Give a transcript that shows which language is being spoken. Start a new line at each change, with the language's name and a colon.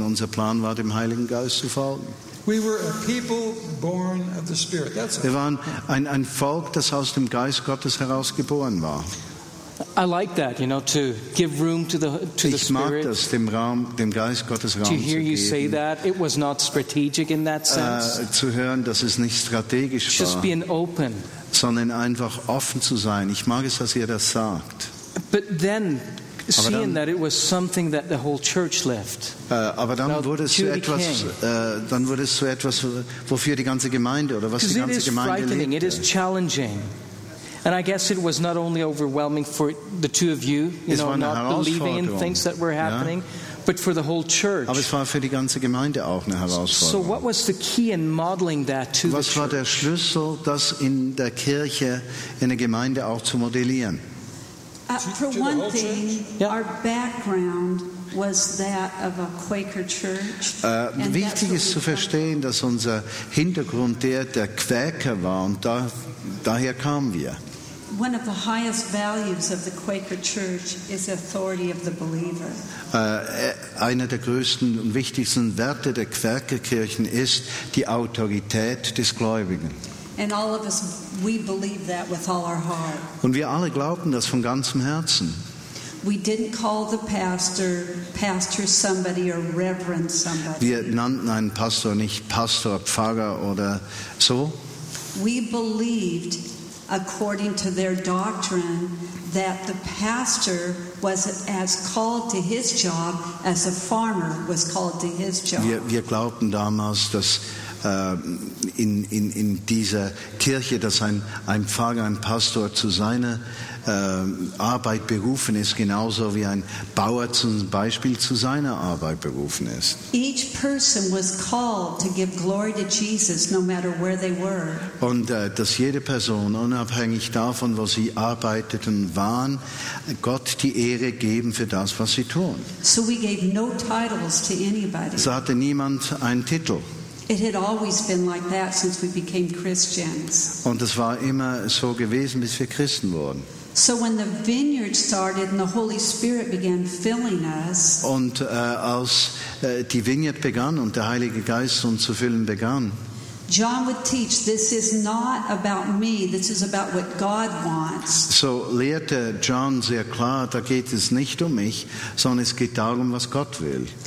German: Unser Plan war, dem Heiligen Geist zu folgen.
English: We were a people born of the Spirit.
German: Wir waren ein Volk, das aus dem Geist Gottes heraus geboren war.
English: I like that, you know, to give room to the Spirit.
German: Ich mag das, dem Geist Gottes Raum zu geben.
English: To hear you say that, it was not strategic in that sense.
German: Zu hören, dass es nicht strategisch war.
English: Just being open.
German: Sondern einfach offen zu sein. Ich mag es, dass ihr das sagt.
English: But then, seeing that it was something that the whole church lived.
German: Aber dann wurde es zu etwas, wofür die ganze Gemeinde oder was die ganze Gemeinde lebte.
English: It is challenging, and I guess it was not only overwhelming for the two of you, you know, not believing in things that were happening, but for the whole church.
German: Aber es war für die ganze Gemeinde auch eine Herausforderung.
English: So what was the key in modeling that to the church?
German: Was war der Schlüssel, das in der Kirche, in der Gemeinde auch zu modellieren?
English: For one thing, our background was that of a Quaker church.
German: Wichtig ist zu verstehen, dass unser Hintergrund der Quäker war, und daher kamen wir.
English: One of the highest values of the Quaker church is authority of the believer.
German: Einer der größten und wichtigsten Werte der Quäkerkirchen ist die Autorität des Gläubigen.
English: And all of us, we believe that with all our heart.
German: Und wir alle glaubten das von ganzem Herzen.
English: We didn't call the pastor somebody or reverend somebody.
German: Wir nannten einen Pastor nicht Pastor, Pfarrer oder so.
English: We believed, according to their doctrine, that the pastor was as called to his job as a farmer was called to his job.
German: Wir glaubten damals, dass in dieser Kirche, dass ein Pfarrer, ein Pastor zu seiner Arbeit berufen ist, genauso wie ein Bauer zum Beispiel zu seiner Arbeit berufen ist.
English: Each person was called to give glory to Jesus, no matter where they were.
German: Und dass jede Person, unabhängig davon, wo sie arbeiteten, waren, Gott die Ehre geben für das, was sie tun.
English: So we gave no titles to anybody.
German: So hatte niemand einen Titel.
English: It had always been like that since we became Christians.
German: Und es war immer so gewesen, bis wir Christen wurden.
English: So when the vineyard started and the Holy Spirit began filling us.
German: Und als die Vineyard begann und der Heilige Geist uns zu füllen begann.
English: John would teach, this is not about me, this is about what God wants.
German: So lehrte John sehr klar, da geht es nicht um mich, sondern es geht darum, was Gott will.